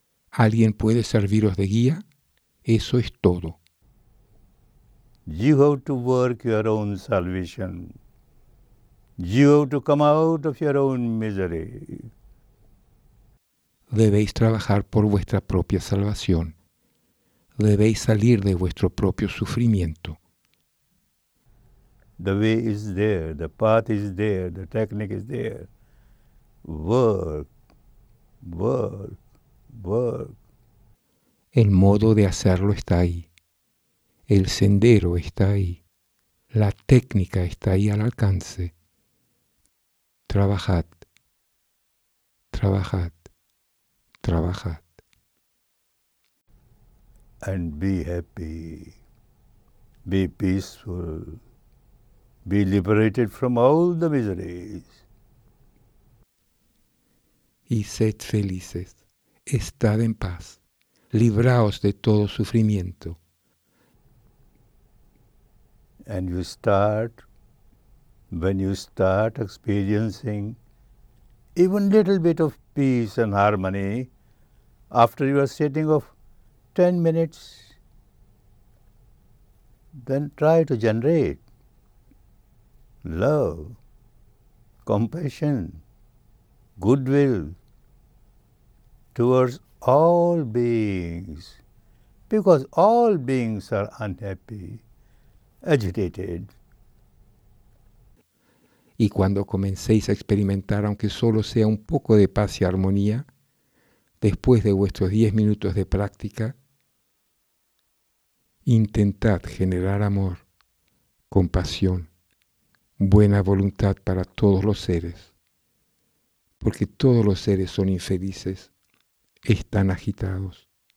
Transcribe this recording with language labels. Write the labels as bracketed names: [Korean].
[Spanish] ¿Alguien puede serviros de guía? Eso es todo. [English] You have to work your own salvation. You have to come out of your own misery. [Spanish] Debéis trabajar por vuestra propia salvación. Debéis salir de vuestro propio sufrimiento. [English] The way is there, the path is there, the technique is there. Work, work, work. [Spanish] El modo de hacerlo está ahí. El sendero está ahí. La técnica está ahí al alcance. Trabajad. Trabajad. Trabajad. [English] And be happy. Be peaceful. Be liberated from all the miseries. [Spanish] Y sed felices. Estad en paz. Libraos de todo sufrimiento. [English] And you start, when you start experiencing even little bit of peace and harmony, after your sitting of 10 minutes, then try to generate love, compassion, goodwill towards all beings, because all beings are unhappy. Agitated. [Spanish] Y cuando comencéis a experimentar, aunque solo sea un poco de paz y armonía, después de vuestros 10 minutos de práctica, intentad generar amor, compasión, buena voluntad para todos los seres, porque todos los seres son infelices, están agitados.